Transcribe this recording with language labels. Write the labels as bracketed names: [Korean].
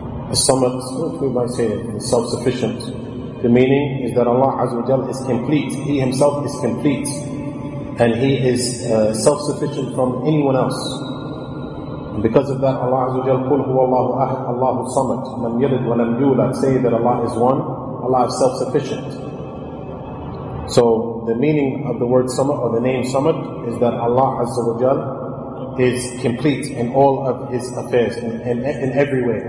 [English] الصمد, we might say it, is self-sufficient. The meaning is that Allah Azza wa Jalla is complete. He himself is complete, and he is self-sufficient from anyone else. Because of that, [Arabic] Allah Azza wa Jalla, قُلْ هُوَ اللَّهُ أَحَدٌ اللَّهُ الصَّمَدُ مَنْ يَلِدْ وَلَمْ يُولَدْ. [English] Say that Allah is one, Allah is self-sufficient. So the meaning of the word samad, or the name samad, is that Allah Azza wa Jalla is complete in all of his affairs, in every way.